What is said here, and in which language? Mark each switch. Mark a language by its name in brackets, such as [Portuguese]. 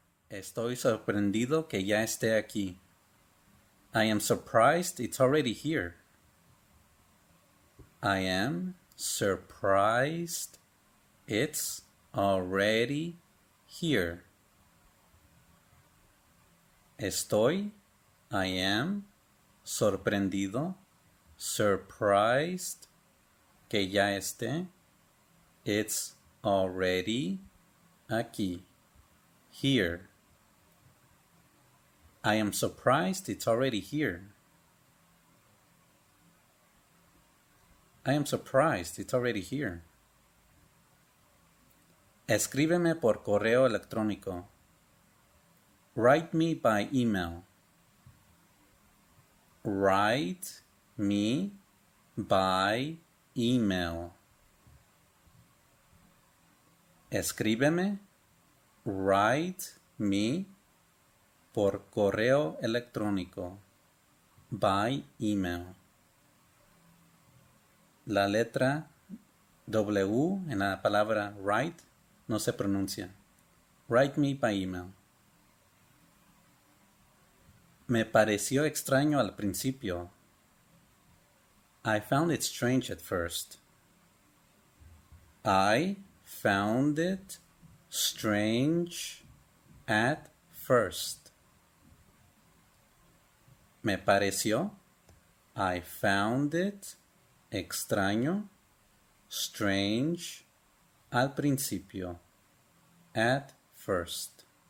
[Spanish] Estoy sorprendido que ya esté aquí. [English] I am surprised it's already here. I am surprised it's already here. [Spanish] Estoy, [English] I am, [Spanish] sorprendido, [English] surprised, [Spanish] que ya esté, [English] it's already [Spanish] aquí, [English] here. I am surprised it's already here. I am surprised it's already here. [Spanish] Escríbeme por correo electrónico. [English] Write me by email. Write me by email. [Spanish] Escríbeme. [English] Write me [Spanish] por correo electrónico. [English] By email. [Spanish] La letra W en la palabra write no se pronuncia. [English] Write me by email. [Spanish] Me pareció extraño al principio. [English] I found it strange at first. I found it strange at first. [Spanish] Me pareció. [English] I found it [Spanish] extraño, [English] strange, [Spanish] al principio, [English] at first.